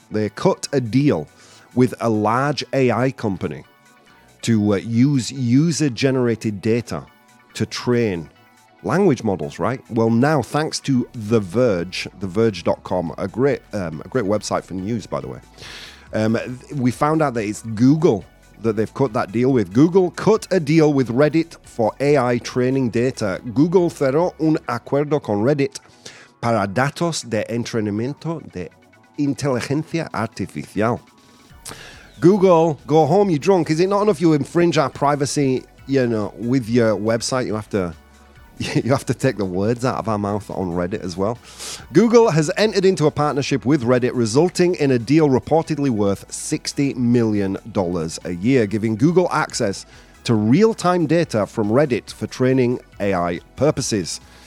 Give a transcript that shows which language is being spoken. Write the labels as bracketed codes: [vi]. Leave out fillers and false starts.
[en] They cut a deal with a large AI company to use user-generated data to train language models, right? Well, now, thanks to The Verge, theverge.com, a great website for news, by the way, we found out that it's Google that they've cut that deal with. Google cut a deal with Reddit for AI training data. [es] Google cerró un acuerdo con Reddit para datos de entrenamiento de inteligencia artificial. [en] Google, go home, you're drunk. Is it not enough you infringe our privacy, you know, with your website? You have to take the words out of our mouth on Reddit as well. Google has entered into a partnership with Reddit, resulting in a deal reportedly worth $60 million a year, giving Google access to real-time data from Reddit for training AI purposes.